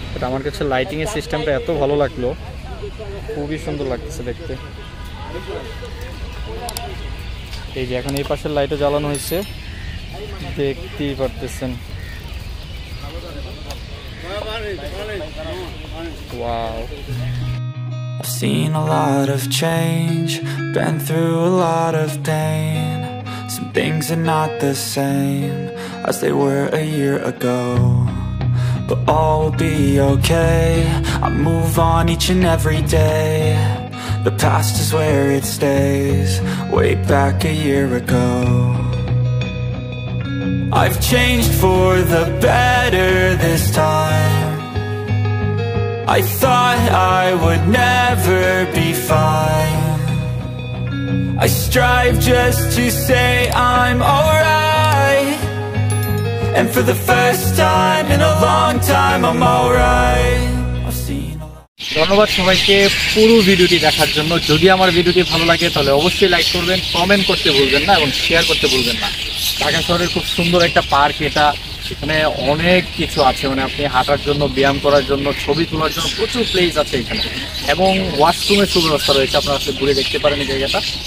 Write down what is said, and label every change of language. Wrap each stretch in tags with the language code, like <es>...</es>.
<bn>আমার কাছে লাইটিং এর সিস্টেমটা এত ভালো লাগলো, খুবই সুন্দর লাগতেছে দেখতে। এই যে এখন এই পাশের লাইটও জ্বালানো হয়েছে, দেখতেই পারতেছেন।</bn> <en>Wow, I've seen a lot of change, been through a lot of pain. Some things are not the same as they were a year ago. But all will be okay, I move on each and every day. The past is where it stays, way back a year ago. I've changed for the better this time. I thought I would never be fine. I strive just to say I'm alright. And for the first time in a long time I'm alright.</en> <bn>ধন্যবাদ সবাইকে পুরো ভিডিওটি দেখার জন্য। যদি আমার ভিডিওটি ভালো লাগে তাহলে অবশ্যই লাইক করবেন, কমেন্ট করতে ভুলবেন না এবং শেয়ার করতে ভুলবেন না। ঢাকা শহরের খুব সুন্দর একটা পার্ক এটা, এখানে অনেক কিছু আছে, মানে আপনি হাঁটার জন্য, ব্যায়াম করার জন্য, ছবি তোলার জন্য প্রচুর প্লেস আছে এখানে, এবং ওয়াশরুমের সুব্যবস্থা রয়েছে, আপনারা আসলে ঘুরে দেখতে পারেন এই জায়গাটা।</bn>